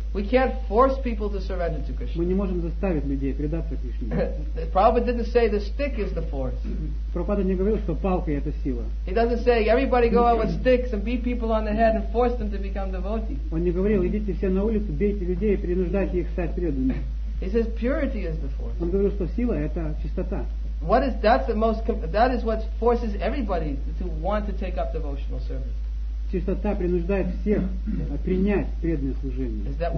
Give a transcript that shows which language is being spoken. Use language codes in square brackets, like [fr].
[en] We can't force people to surrender to Krishna. [ru] Мы не можем заставить людей предаться Кришне. [en] Prabhupada didn't say the stick is the force. [ru] Прабхупада не говорил, что палка это сила. [en] He doesn't say everybody go out with sticks and beat people on the head and force them to become devotees. [ru] Он не говорил, идите все на улицу, бейте людей и принуждайте их стать преданными. [en] He says purity is the force. [ru] Он говорил, что сила это чистота. [en] What is that is what forces everybody to want to take up devotional service. [ru] Чистота принуждает всех принять преданное служение.